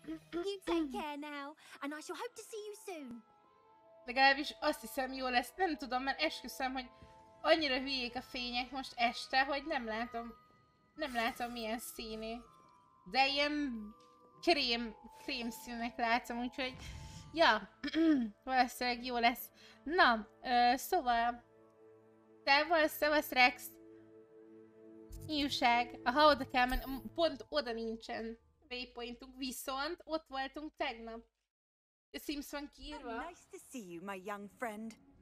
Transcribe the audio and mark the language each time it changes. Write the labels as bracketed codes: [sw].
[en] You take care now, and I shall hope to see you soon. [hu] Legalábbis azt hiszem jó lesz, nem tudom, mert esküszöm, hogy annyira hülyék a fények most este, hogy nem látom milyen színű. De ilyen krém színűnek látom, úgyhogy ja, valószínűleg jó lesz. Na, szóval szevasz Rex. Ijúság, aha, oda kell menni, pont oda nincsen waypointunk, viszont ott voltunk tegnap. A Sims van kiírva. [en] Oh, nice to see you, my young friend.